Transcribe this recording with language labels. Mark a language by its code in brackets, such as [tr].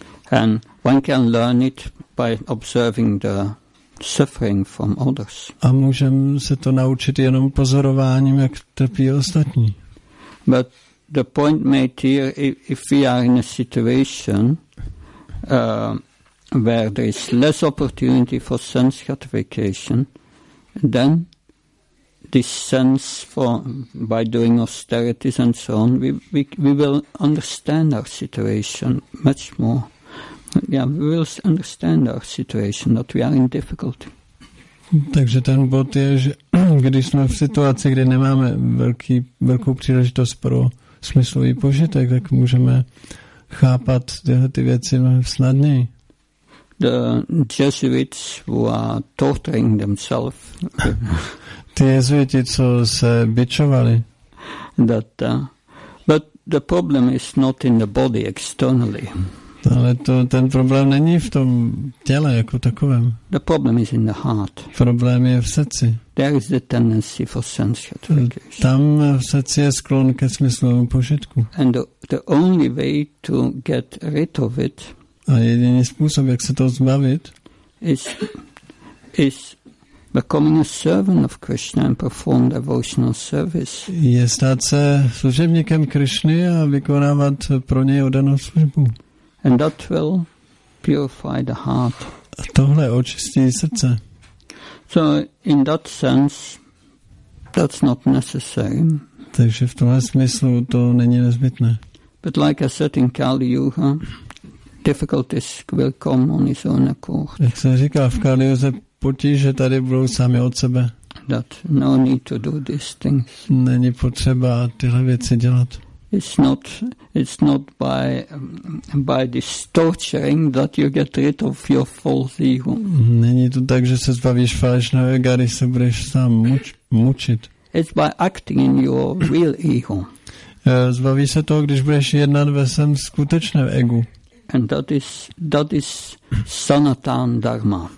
[en] And one can learn it by observing the suffering from others. [cs] A můžeme se to naučit jenom pozorováním, jak trpí ostatní. [en] But the point made here, if we are in a situation where there is less opportunity for sense gratification, then this sense for by doing austerities and so on, we will understand our situation much more. Yeah, we will understand our situation that we are in difficulty. [cs] Takže ten bod je, že když jsme v situaci, kdy nemáme velkou příležitost pro smyslový požitek, tak můžeme chápat tyhle ty věci snadněji. [en] The Jesuits who are torturing themselves. [cs] Ty jezuiti, co se bičovali. [en] That, but the problem is not in the body externally. [cs] Ale to, ten problém není v tom těle jako takovém. [en] The problem is in the heart. [cs] Problém je v srdci. [en] There is the tendency for sense gratification. [cs] Tam v srdci je sklon ke smyslovému požitku. [en] And the only way to get rid of it. [cs] A jediný způsob, jak se toho zbavit, [en] is becoming a servant of Krishna and perform devotional service. [cs] Je stát se služebníkem Krishny a vykonávat pro něj oddanou službu. [en] And that will purify the heart. [cs] A tohle očistí srdce. [en] So in that sense, that's not necessary. [cs] Takže v tomhle smyslu to není nezbytné. [en] But like I said in Kali Yuga, difficulties will come on its own accord. [cs] Jak jsem říkal, v Kali Yuze potíže tady budou sami od sebe. [en] That no need to do these things. [cs] Není potřeba tyhle věci dělat. [en] It's not by this torturing that you get rid of your false ego. [cs] Není to tak, že se zbavíš falešného ega, když se budeš sám mučit. [en] It's by acting in your real ego. [cs] Zbavíš se toho, když budeš jednat ve svém skutečném egu. [en] And that is sanatan dharma.